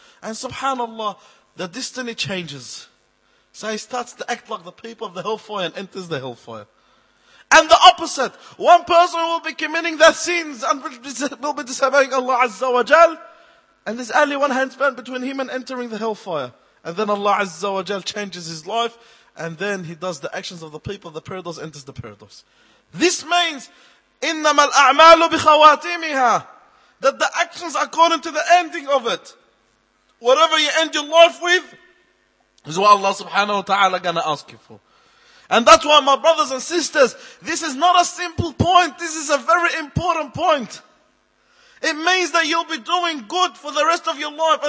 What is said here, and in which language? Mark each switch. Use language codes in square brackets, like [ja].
[en] And subhanAllah, the destiny changes. So he starts to act like the people of the hellfire and enters the hellfire. And the opposite. One person will be committing their sins and will be disobeying Allah Azza wa Jal. And there's only one hand span between him and entering the hellfire. And then Allah Azza wa Jal changes his life. And then he does the actions of the people. The paradise enters the paradise. This means, [ar] إِنَّمَا الْأَعْمَالُ بِخَوَاتِمِهَا. [en] That the actions according to the ending of it. Whatever you end your life with, is what Allah subhanahu wa ta'ala going to ask you for. And that's why my brothers and sisters, this is not a simple point. This is a very important point. It means that you'll be doing good for the rest of your life.